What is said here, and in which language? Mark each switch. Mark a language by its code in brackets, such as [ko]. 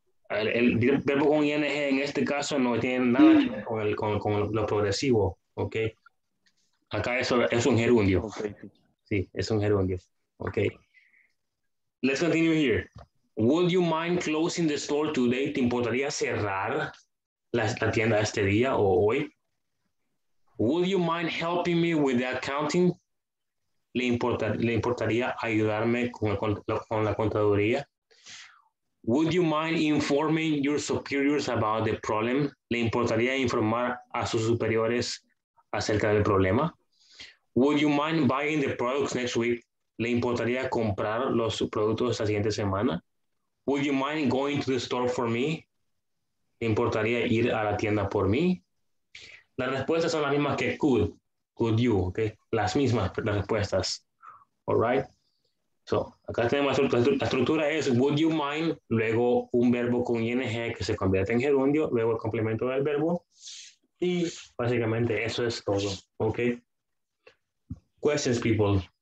[es] El verbo con ing en este caso no tiene nada que ver con lo progresivo, ¿ok? Acá es un gerundio. Okay. Sí, es un gerundio. Ok. [en] Let's continue here. Would you mind closing the store today? [es] ¿Te importaría cerrar la tienda este día o hoy? [en] Would you mind helping me with the accounting? [es] ¿Le importaría ayudarme con la contaduría? [en] Would you mind informing your superiors about the problem? [es] ¿Le importaría informar a sus superiores acerca del problema? [en] Would you mind buying the products next week? [es] ¿Le importaría comprar los productos la siguiente semana? [en] Would you mind going to the store for me? [es] ¿Le importaría ir a la tienda por mí? Las respuestas son las mismas que could. [en] Could you, okay? [es] Las mismas las respuestas. [en] All right? [es] So, acá tenemos la estructura es would you mind, luego un verbo con ing que se convierte en gerundio, luego el complemento del verbo y básicamente eso es todo, ¿ok? [en] Questions, people.